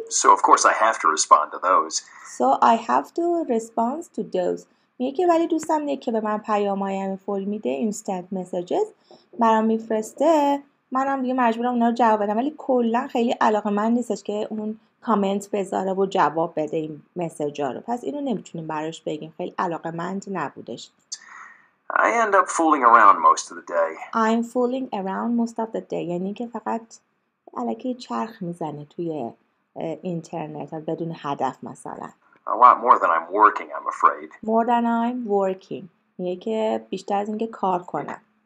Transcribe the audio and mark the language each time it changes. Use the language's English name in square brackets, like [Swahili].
[English] So, of course, I have to respond to those. So, I have to respond to those. [Persian] میگه که ولی دوستم نیک که به من پیامای فوری میده [English] instant messages [Persian] برام میفرسته منم دیگه مجبورم اونا رو جواب بدم ولی کلن خیلی علاقه من نیستش که اون کامنت بذاره و جواب بده این مسیجا رو. پس اینو نمیتونیم براش بگیم. خیلی علاقه مند نبودش. [English] I end up fooling around most of the day. I'm fooling around most of the day. [Persian] یعنی که فقط علاقه چرخ میزنه توی اینترنت بدون هدف مثلا. [English] A lot more than I'm working, I'm afraid. More than I'm working. [Persian] یعنی که بیشتر از اینکه کار کنم.